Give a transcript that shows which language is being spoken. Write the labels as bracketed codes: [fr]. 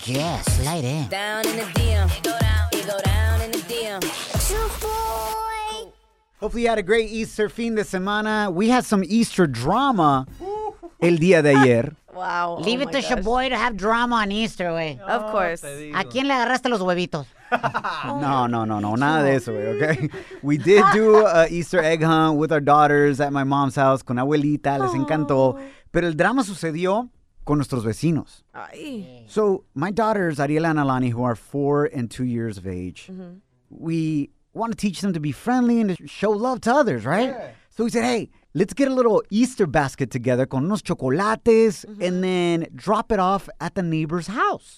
[en] Yeah, slide in. Down in the DM. You go down in the DM. Shaboy. Hopefully you had a great Easter [es] fin de semana. [en] We had some Easter drama [es] el día de ayer. Wow. [en] Leave it to Shaboy to have drama on Easter, way. Of course. [es] ¿A quién le agarraste los huevitos? [en] No, nada de eso, okay? We did do a Easter egg hunt with our daughters at my mom's house, [es] con abuelita, les encantó. Pero el drama sucedió con nuestros vecinos. Ay. [en] So, my daughters, Ariela and Alani, who are 4 and 2 years of age, we want to teach them to be friendly and to show love to others, right? Yeah. So we said, hey, let's get a little Easter basket together [es] con unos chocolates [en] and then drop it off at the neighbor's house.